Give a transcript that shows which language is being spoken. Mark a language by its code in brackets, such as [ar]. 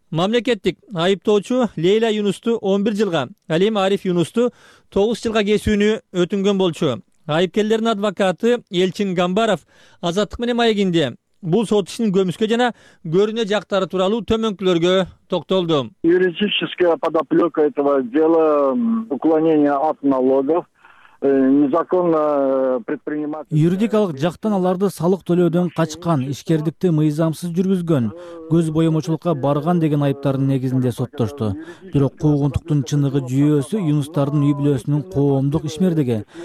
[ky] Мамлекеттик айыптоочу Лейла Юнусту 11 жылга, ал эми Ариф Юнусту 9 жылга кесүүнү өтүнгөн болчу. Айыпкерлердин адвокаты Элчин Гамбаров Азаттык менен маегинде бул сот ишинин көмүскө жана көрүнө жактары тууралуу төмөнкүлөргө токтолду. [ru] Юридическая подоплека этого дела — уклонение от налогов, [ky] Юридикалык жактан аларды салык төлөөдөн качкан, ишкердикти мыйзамсыз жүргүзгөн, көз боемочулукка барган деген айыптардын негизинде соттошту. Бирок куугунтуктун чыныгы жүйөсү юнустардын үй бүлөсүнүн коомдук ишмердиги.